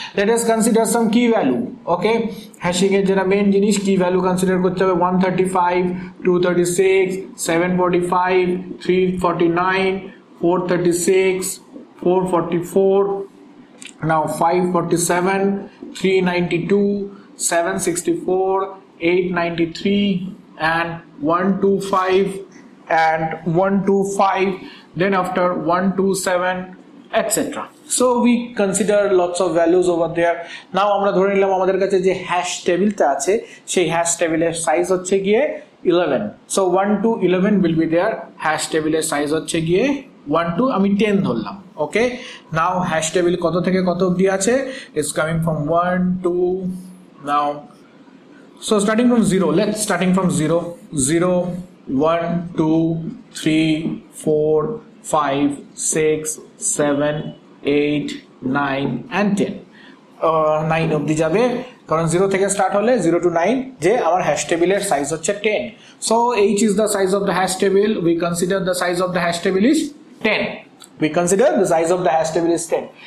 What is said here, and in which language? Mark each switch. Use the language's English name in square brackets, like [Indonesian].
[English] let us consider some key value, okay, [Bangla] হ্যাশিংয়ের যেটা main জিনিস কি ভ্যালু কনসিডার করতে হবে, [English] 135, 236, 745, 349, 436, 444, now 547, 392, 764, 893, and 125, and 125, then after 127, etc. So we consider lots of values over there. [Bangla] Now আমরা ধরে নিলাম আমাদের কাছে যে হ্যাশ টেবিলটা আছে সেই হ্যাশ টেবিলের সাইজ হচ্ছে গিয়ে 11. [English] So 1 to 11 will be there. Hash table [Bangla] size হচ্ছে গিয়ে 1 to আমি 10 ধরলাম, [English] Okay. Now hash table কত থেকে কত অবধি আছে, it's coming from 1 to now, so starting from 0, let's starting from 0, 0 1, 2, 3, 4, 5, 6, 7, 8, 9 and 10. [Bangla] 9 অবধি যাবে, কারণ 0 থেকে স্টার্ট হলে [English] 0 to 9 [Bangla] যে আমার হ্যাশ টেবিলের সাইজ হচ্ছে 10. [English] So H is the size of the hash table, we consider the size of the hash table is 10. We consider the size of the hash table is 10.